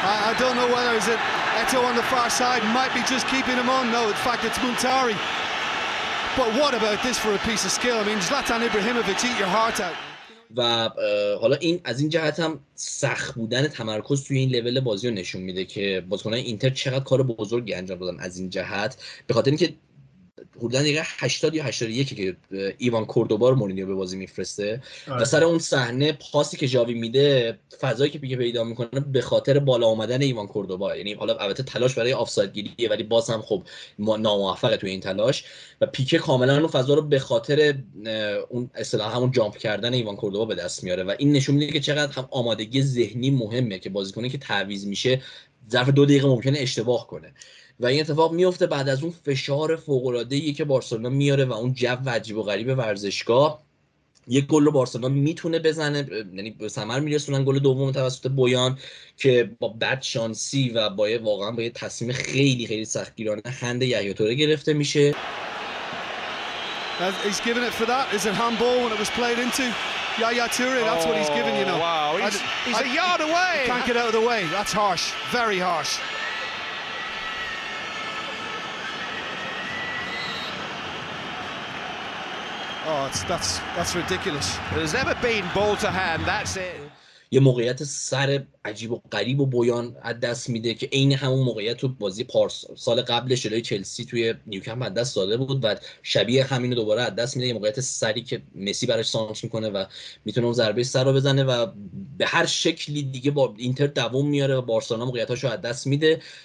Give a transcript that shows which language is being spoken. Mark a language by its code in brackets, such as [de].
[en] I don't know whether is it Eto on the far side, might be just keeping him on. No, in fact, it's Muntari. But what about this for a piece of skill? I mean, Zlatan Ibrahimovic, eat your heart out. [fa] و حالا این از این جهت هم سخت بودن تمرکز توی این لول بازی رو نشون میده که بازیکنان اینتر چقدر کار بزرگی انجام دادن از این جهت، به خاطر اینکه حدوداً دقیقه 80 یا 81 که ایوان کوردوبا رو مورینیو به بازی میفرسته و سر اون صحنه پاسی که جاوی میده فضایی که پیکه پیدا میکنه به خاطر بالا آمدن ایوان کوردوبا، یعنی حالا البته تلاش برای آفساید گیریه ولی باز هم خب ناموفقه توی این تلاش و پیکه کاملا اون فضا رو به خاطر اون اصطلاح همون جامپ کردن ایوان کوردوبا به دست میاره و این نشون میده که چقدر هم آمادگی ذهنی مهمه که بازیکنی که تعویض میشه ظرف 2 دقیقه ممکنه اشتباه کنه و این اتفاق میفته. بعد از اون فشار فوق العاده ای که بارسلونا میاره و اون جو عجیب و غریب ورزشگاه یک گل رو بارسلونا میتونه بزنه، یعنی به ثمر میرسونن گل دوم توسط بویان که با بد شانسی و با واقعا با یه تصمیم خیلی خیلی سختگیرانه هند یحیی توره گرفته میشه. [en] He's given it for that. It's a handball when it was played into Yaya Touré. That's what he's given, you know. Wow, he's a yard away. He can't get out of the way. That's harsh, very harsh. Oh, that's ridiculous. There's never been ball to hand. That's it. [fa] یه موقعیت سر عجیب و غریب و بویان از دست میده که این همون موقعیت تو بازی پارس سال قبلش جلوی چلسی توی نیوکمپ از دست داده بود و شبیه همینو دوباره از دست میده، یه موقعیت سری که مسی براش سانتر میکنه و میتونه اون ضربه سر رو بزنه و به هر شکلی دیگه با اینتر دووم میاره و بارسلونا موقعیتاشو از دست میده.